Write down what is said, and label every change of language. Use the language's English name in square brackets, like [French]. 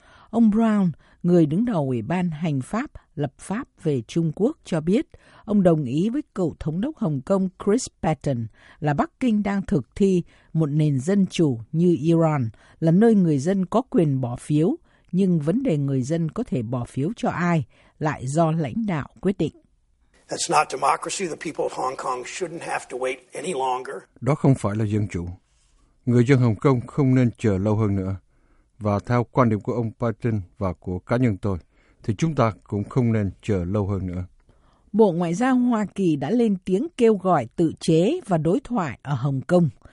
[Vietnamese] Ông Brown, người đứng đầu Ủy ban Hành pháp Lập pháp về Trung Quốc, cho biết ông đồng ý với cựu thống đốc Hồng Kông Chris Patten là Bắc Kinh đang thực thi một nền dân chủ như Iran, là nơi người dân có quyền bỏ phiếu, nhưng vấn đề người dân có thể bỏ phiếu cho ai lại do lãnh đạo quyết định. [English] That's not democracy. The people of Hong Kong shouldn't have to wait any longer. [Vietnamese] Đó không phải là dân chủ. Người dân Hồng Kông không nên chờ lâu hơn nữa. Và theo quan điểm của ông Patten và của cá nhân tôi, thì chúng ta cũng không nên chờ lâu hơn nữa. Bộ Ngoại giao Hoa Kỳ đã lên tiếng kêu gọi tự chế và đối thoại ở Hồng Kông.